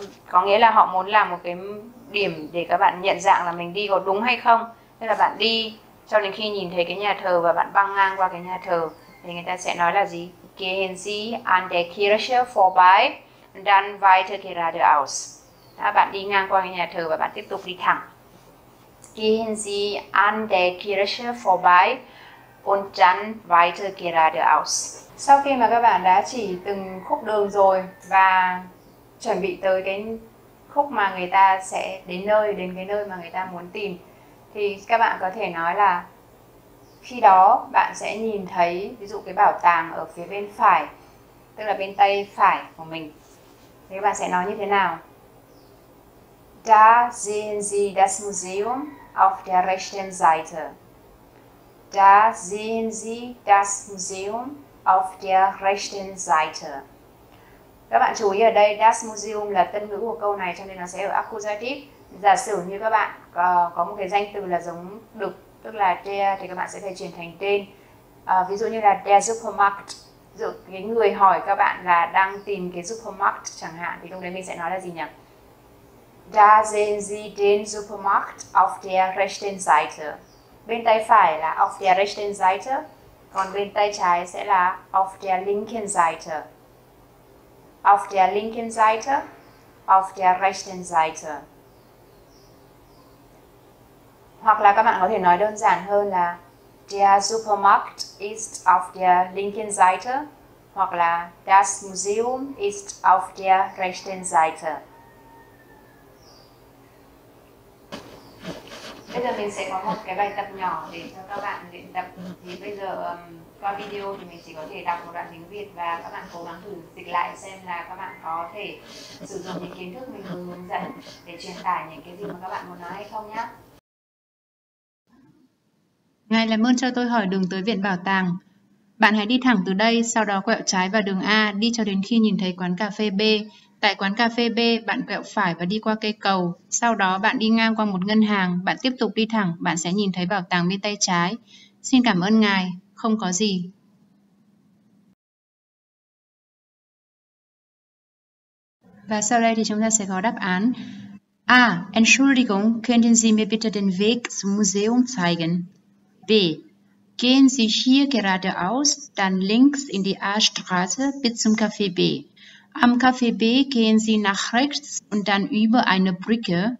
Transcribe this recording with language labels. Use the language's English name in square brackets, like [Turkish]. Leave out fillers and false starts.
[Vietnamese] Có nghĩa là họ muốn làm một cái điểm để các bạn nhận dạng là mình đi có đúng hay không. Thế là bạn đi cho đến khi nhìn thấy cái nhà thờ và bạn băng ngang qua cái nhà thờ thì người ta sẽ nói là gì? [German] Gehen Sie an der Kirche vorbei, dann weiter geradeaus. [Vietnamese] Bạn đi ngang qua cái nhà thờ và bạn tiếp tục đi thẳng. [German] gehen Sie an der Kirche vorbei und dann weiter geradeaus. [Vietnamese] Sau khi mà các bạn đã chỉ từng khúc đường rồi và chuẩn bị tới cái khúc mà người ta sẽ đến nơi, đến cái nơi mà người ta muốn tìm, thì các bạn có thể nói là khi đó bạn sẽ nhìn thấy ví dụ cái bảo tàng ở phía bên phải, tức là bên tay phải của mình. Thế các bạn sẽ nói như thế nào? [German] Da sehen Sie das Museum auf der rechten Seite. Da sehen Sie das Museum auf der rechten Seite. [Vietnamese] Các bạn chú ý ở đây, das Museum là tân ngữ của câu này cho nên nó sẽ ở accusative. Giả sử như các bạn có một cái danh từ là giống được, tức là der, thì các bạn sẽ phải chuyển thành tên. Ví dụ như là der Supermarkt. Ví dụ cái người hỏi các bạn là đang tìm cái Supermarkt chẳng hạn, thì lúc đấy mình sẽ nói là gì nhỉ? [German] Da sehen Sie den Supermarkt auf der rechten Seite. [Vietnamese] Bên tay phải là [German] auf der rechten Seite, [Vietnamese] còn bên tay trái sẽ là [German] auf der linken Seite. Auf der linken Seite, auf der rechten Seite. [Vietnamese] Hoặc là các bạn có thể nói đơn giản hơn là [German] der Supermarkt ist auf der linken Seite, [Vietnamese] hoặc là [German] das Museum ist auf der rechten Seite. [Vietnamese] Bây giờ mình sẽ có một cái bài tập nhỏ để cho các bạn luyện tập. Thì bây giờ qua video thì mình chỉ có thể đọc một đoạn tiếng Việt và các bạn cố gắng thử dịch lại xem là các bạn có thể sử dụng những kiến thức mình vừa hướng dẫn để truyền tải những cái gì mà các bạn muốn nói hay không nhé. Ngài làm ơn cho tôi hỏi đường tới viện bảo tàng. Bạn hãy đi thẳng từ đây, sau đó quẹo trái vào đường A, đi cho đến khi nhìn thấy quán cà phê B. Tại quán cà phê B, bạn quẹo phải và đi qua cây cầu. Sau đó bạn đi ngang qua một ngân hàng, bạn tiếp tục đi thẳng, bạn sẽ nhìn thấy bảo tàng bên tay trái. Xin cảm ơn ngài, không có gì. Và sau đây thì chúng ta sẽ có đáp án. A. [German] Entschuldigung, können Sie mir bitte den Weg zum Museum zeigen? B. Gehen Sie hier geradeaus, dann links in die A-Straße bis zum Café B. Am Café B gehen Sie nach rechts und dann über eine Brücke.